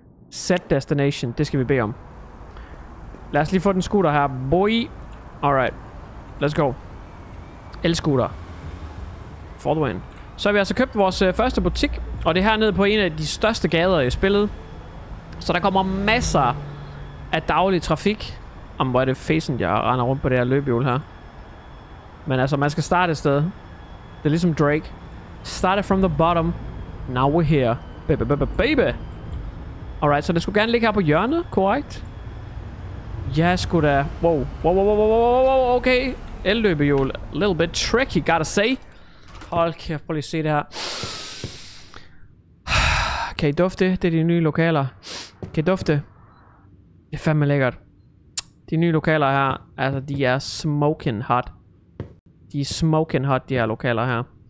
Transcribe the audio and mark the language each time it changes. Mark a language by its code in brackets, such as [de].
[en] Set destination. [da] Det skal vi bede om. Lad os lige få den scooter her. [en] Boy. Alright. Let's go. [da] El-scooter. [en] For the win. [da] Så har vi altså købt vores første butik. Og det er hernede på en af de største gader i spillet. Så der kommer masser af daglig trafik. Om hvor er det fæsen, jeg render rundt på det her løbehjul her. Men altså, man skal starte et sted. Det er ligesom Drake. [en] Started from the bottom. Now we're here. Baby, baby, baby. Alright, [da] så det skulle gerne ligge her på hjørnet, korrekt? Ja, sgu da. Wow. Wow, wow, wow, wow, wow, wow, okay. El-løbehjul. [en] A little bit tricky, gotta say. [da] Hold kæft, prøv lige at se det her. Kan I dufte? Det er de nye lokaler. Kan I dufte? Det er fandme lækkert. De nye lokaler her, altså de er smoking hot. De er smoking hot, de her lokaler her.